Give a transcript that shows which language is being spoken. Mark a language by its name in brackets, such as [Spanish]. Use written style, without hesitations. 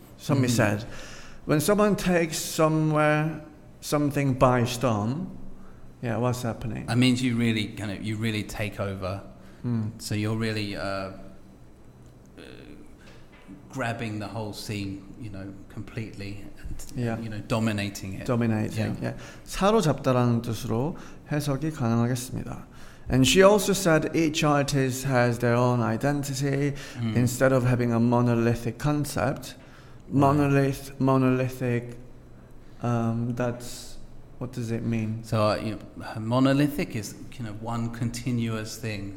[English] Somebody said, when someone takes somewhere something by storm, yeah, what's happening? It means you really kind of take over. So you're really grabbing the whole scene, you know, completely, and you know, dominating it. Dominating. Yeah. Yeah. [Korean] 사로잡다라는 뜻으로 해석이 가능하겠습니다. [English] And she also said each artist has their own identity instead of having a monolithic concept. Monolithic. That's what does it mean? So monolithic is kind of one continuous thing.